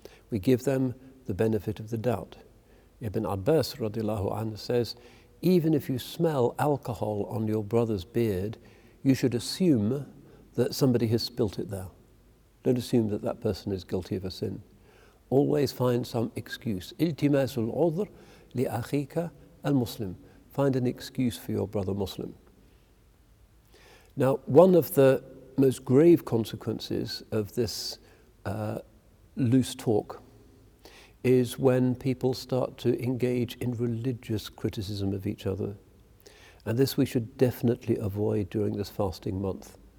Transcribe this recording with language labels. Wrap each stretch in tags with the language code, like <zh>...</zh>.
<en>We give them the benefit of the doubt. Ibn Abbas radiallahu anhu says, even if you smell alcohol on your brother's beard, you should assume that somebody has spilt it there. Don't assume that that person is guilty of a sin. Always find some excuse.</en> <ar>إلتماس العذر لأخيك المسلم.</ar> <en>Find an excuse for your brother Muslim. Now, one of the most grave consequences of this loose talk is when people start to engage in religious criticism of each other. And this we should definitely avoid during this fasting month.</en>